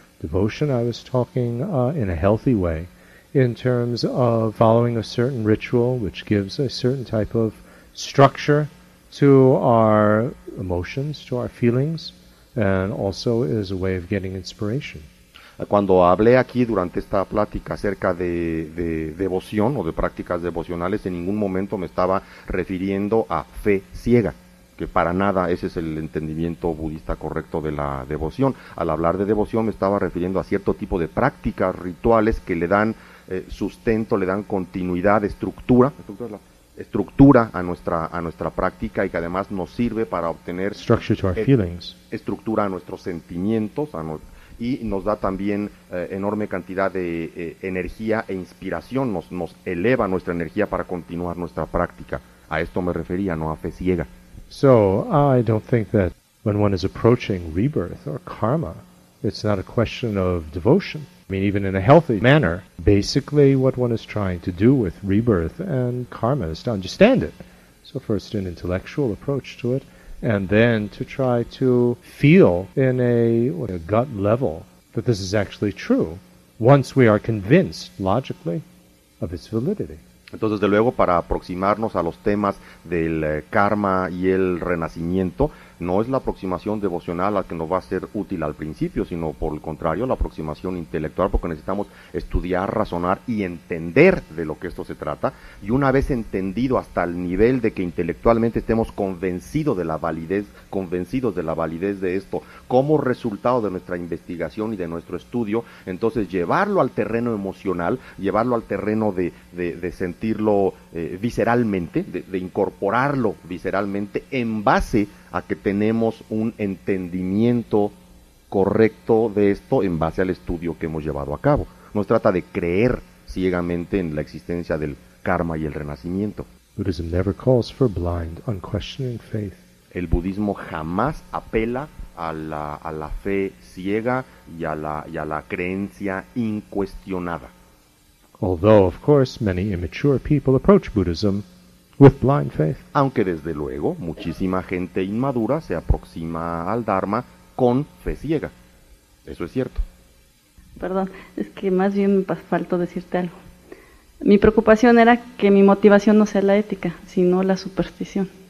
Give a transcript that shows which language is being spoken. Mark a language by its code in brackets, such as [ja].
[en] Devotion, I was talking in a healthy way, in terms of following a certain ritual which gives a certain type of structure to our emotions, to our feelings, and also is a way of getting inspiration. [es] Cuando hablé aquí durante esta plática acerca de devoción o de prácticas devocionales, en ningún momento me estaba refiriendo a fe ciega. que para nada ese es el entendimiento budista correcto de la devoción. Al hablar de devoción me estaba refiriendo a cierto tipo de prácticas rituales que le dan sustento, le dan continuidad, estructura a nuestra práctica, y que además nos sirve para obtener [en] structure to our feelings. [es] Estructura a nuestros sentimientos, y nos da también enorme cantidad de energía e inspiración, nos eleva nuestra energía para continuar nuestra práctica. A esto me refería, no a fe ciega. [en] So, I don't think that when one is approaching rebirth or karma, it's not a question of devotion. I mean, even in a healthy manner, basically what one is trying to do with rebirth and karma is to understand it. So first an intellectual approach to it, and then to try to feel in a gut level that this is actually true, once we are convinced logically of its validity. [es] Entonces, de luego, para aproximarnos a los temas del karma y el renacimiento, no es la aproximación devocional la que nos va a ser útil al principio, sino por el contrario, la aproximación intelectual, porque necesitamos estudiar, razonar y entender de lo que esto se trata. Y una vez entendido hasta el nivel de que intelectualmente estemos convencidos de la validez de esto como resultado de nuestra investigación y de nuestro estudio, entonces llevarlo al terreno emocional, llevarlo al terreno de sentirlo visceralmente, de incorporarlo visceralmente en base a que tenemos un entendimiento correcto de esto en base al estudio que hemos llevado a cabo. No se trata de creer ciegamente en la existencia del karma y el renacimiento. [en] Buddhism never calls for blind, unquestioning faith. [es] El budismo jamás apela a la fe ciega y a la creencia incuestionada. [en] Although, of course, many immature people approach Buddhism with blind faith. [es] Aunque desde luego muchísima gente inmadura se aproxima al Dharma con fe ciega. Eso es cierto. Perdón, es que más bien me faltó decirte algo. Mi preocupación era que mi motivación no sea la ética, sino la superstición.